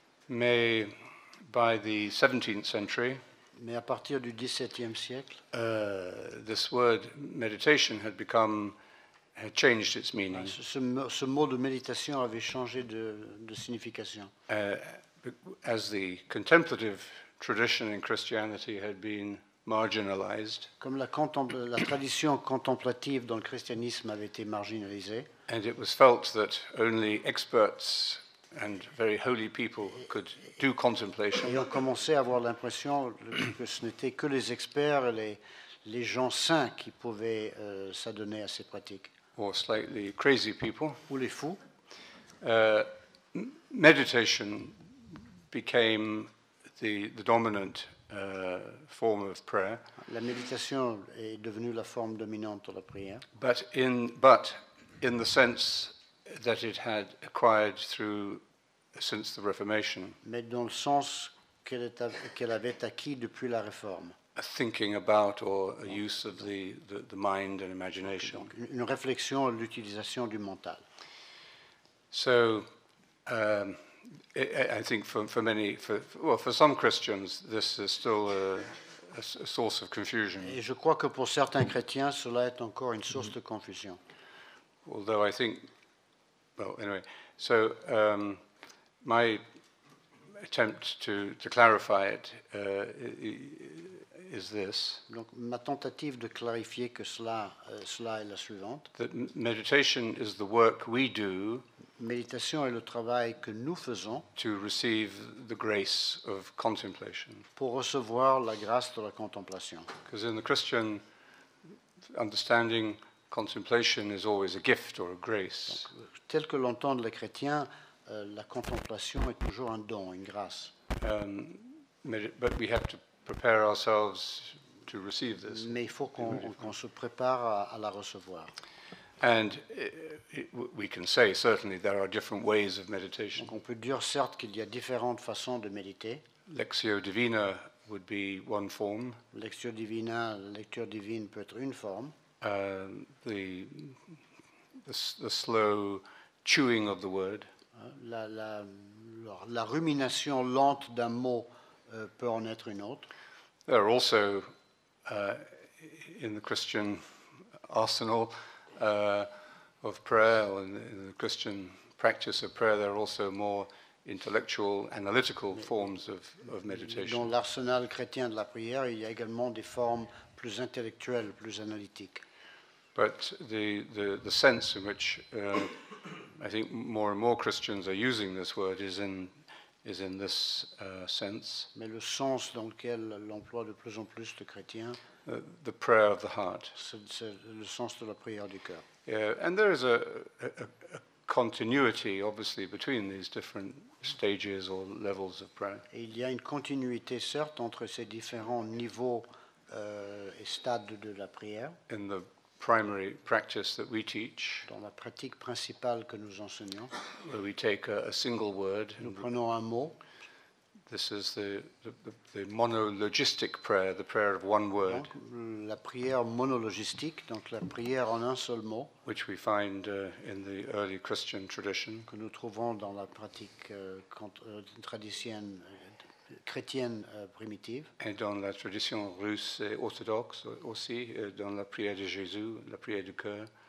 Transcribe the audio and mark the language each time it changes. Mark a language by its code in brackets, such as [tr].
[en] Mais by the 17th century, [fr] mais à partir du 17e siècle, [en] this word meditation had changed its meaning. [fr] Ce mot de méditation avait changé de signification. [en] As the contemplative tradition in Christianity had been marginalized, [fr] comme la tradition contemplative dans le christianisme avait été marginalisée, [en] and it was felt that only experts and very holy people could do contemplation. [fr] Et on commençait à avoir l'impression que ce n'était que les experts et les gens saints qui pouvaient s'adonner à ces pratiques. [en] Or slightly crazy people. [fr] Ou les fous. [en] Meditation became the dominant form of prayer. [fr] La méditation est devenue la forme dominante de la prière. [en] But in the sense that it had acquired through since the Reformation. [fr] Mais dans le sens qu'elle avait acquis depuis la réforme. [en] A thinking about or a use of the mind and imagination. [fr] Donc, une réflexion à l'utilisation du mental. [en] So, I think for some Christians, this is still a source of confusion. [fr] Et je crois que pour certains chrétiens, cela est encore une source de confusion. [en] Although I think, my attempt to clarify it is this. [fr] Donc ma tentative de clarifier que cela est la suivante. [en] That meditation is the work we do. [fr] Méditation est le travail que nous faisons. [en] To receive the grace of contemplation. [fr] Pour recevoir la grâce de la contemplation. [en] Because in the Christian understanding, contemplation is always a gift or a grace. [fr] Donc, tel que l'entendent les chrétiens, la contemplation est toujours un don, une grâce. [en] But we have to prepare ourselves to receive this. [fr] Mais il faut qu'on se prépare à la recevoir. [en] And we can say certainly there are different ways of meditation. [fr] Donc on peut dire certes qu'il y a différentes façons de méditer. [en] Lectio divina would be one form. [fr] Lectio divina, la lecture divine peut être une forme. [en] The slow chewing of the word. [fr] La rumination lente d'un mot peut en être une autre. [en] There are also in the Christian arsenal of prayer, or in the Christian practice of prayer, there are also more intellectual, analytical forms of meditation. [fr] Dans l'arsenal chrétien de la prière, il y a également des formes plus intellectuelle, plus analytique. [en] But the sense in which I think more and more Christians are using this word is in this sense. [fr] Mais le sens dans lequel l'emploie de plus en plus de chrétiens. [en] The prayer of the heart. [fr] C'est le sens de la prière du cœur. [en] Yeah, and there is a continuity, obviously, between these different stages or levels of prayer. [fr] Et il y a une continuité, certes, entre ces différents niveaux et stades de la prière. [en] In the primary practice that we teach. [fr] Dans la pratique principale que nous enseignons. [en] Where we take a single word. [fr] Nous prenons un mot. [en] This is the monologistic prayer, the prayer of one word. [fr] Donc, la prière monologistique, donc la prière en un seul mot. [en] Which we find in the early Christian tradition. [fr] Que nous trouvons dans la pratique traditionnelle chrétienne primitive. Et dans la tradition russe et orthodoxe aussi, dans la prière de Jésus, la prière du cœur.